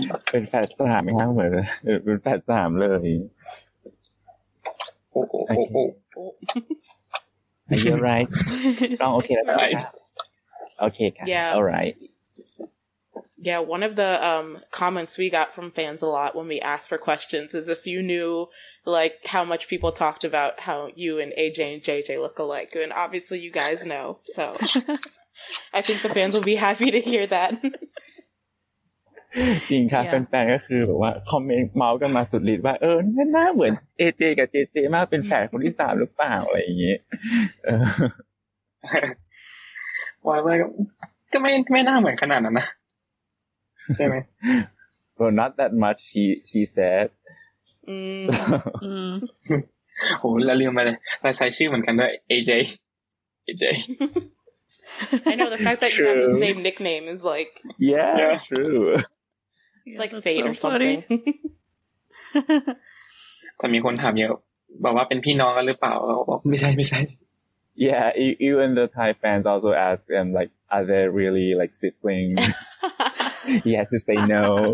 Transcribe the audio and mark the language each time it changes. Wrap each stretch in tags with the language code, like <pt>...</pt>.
<th>เป็นแฟนสามไหมครับเหมือนเป็นแฟนสามเลย</th> <en>Are you alright? Okay. Right. Okay. Yeah. All right. Yeah, one of the comments we got from fans a lot when we asked for questions is if you knew, like, how much people talked about how you and AJ and JJ look alike. And obviously you guys know, so I think the fans will be happy to hear that.</en> <th>จริงค่ะแฟนๆก็คือแบบว่าคอมเมนต์เมากันมาสุดฤทธิ์ว่าเออน่าเหมือน AJ กับ JJ มากเป็นแฝดคนที่3หรือเปล่าอะไรอย่างเงี้ย ว่าก็ไม่น่าเหมือนขนาดนั้นนะใช่ไหม</th> <en>Well, not that much she said</en> <th>โหแล้วลืมไปเลยเราใช้ชื่อเหมือนกันด้วย AJ</th> <en>I know the fact that you have the same nickname is like yeah true it's like fate or something</en> <th>คนมีคนถามเยอะบอกว่าเป็นพี่น้องกันหรือเปล่าไม่ใช่</th> <en>yeah even the Thai fans also ask them like are they really like siblings he had to say no</en>